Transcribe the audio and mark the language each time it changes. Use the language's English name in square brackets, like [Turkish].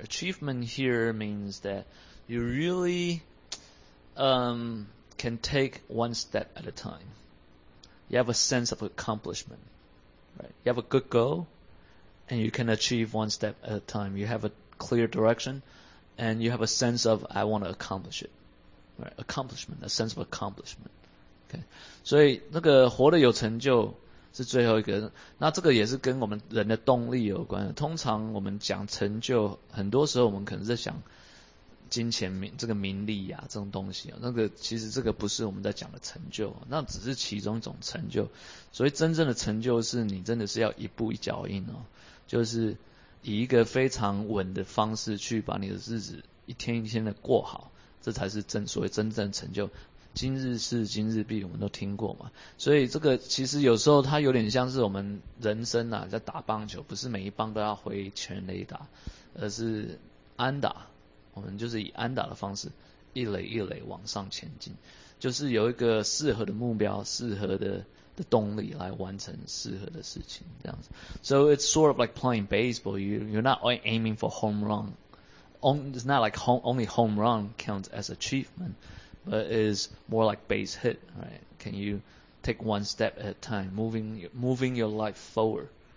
[English] Achievement here means that you really can take one step at a time. You have a sense of accomplishment, right? You have a good goal, and you can achieve one step at a time. You have a clear direction, and you have a sense of, I want to accomplish it. Right? Accomplishment, a sense of accomplishment. [Chinese] Okay, 所以那个活得有成就 是最后一个，那这个也是跟我们人的动力有关。通常我们讲成就，很多时候我们可能在想金钱名这个名利啊这种东西啊，那个其实这个不是我们在讲的成就，那只是其中一种成就。所以真正的成就是你真的是要一步一脚印哦，就是以一个非常稳的方式去把你的日子一天一天的过好，这才是所谓真正的成就。今日事今日毕，我们都听过嘛，所以这个其实有时候它有点像是我们人生啊，在打棒球，不是每一棒都要挥全垒打，而是安打，我们就是以安打的方式一垒一垒往上前进，就是有一个适合的目标，适合的动力来完成适合的事情，这样子。 [English] So it's sort of like playing baseball. You're not only aiming for home run. It's not like only home run counts as achievement. But is more like base hit, right? Can you take one step at a time, moving your life forward?